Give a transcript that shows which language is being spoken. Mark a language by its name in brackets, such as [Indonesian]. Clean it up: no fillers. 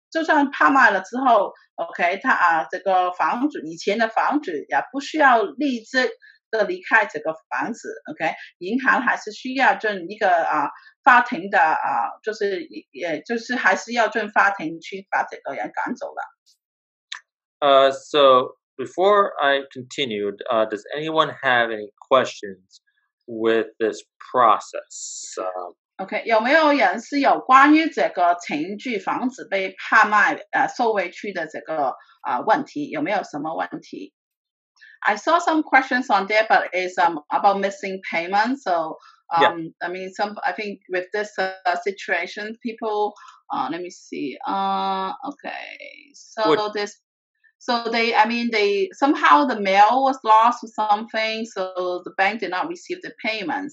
[Chinese] 就算拍卖了之后 ，OK， 他啊，这个房主以前的房主也不需要立即的离开这个房子 ，OK， 银行还是需要证一个啊，法庭的啊，就是也就是还是要证法庭去把这个人赶走了。 [English] So before I continued, does anyone have any questions with this process? [Chinese] OK， 有没有人是有关于这个程序房子被拍卖收回去的这个问题，有没有什么问题？ [English] I saw some questions on there, but it's about missing payment. So, yeah. I mean, I think with this situation, people, let me see. OK, so somehow the mail was lost or something, so the bank did not receive the payment.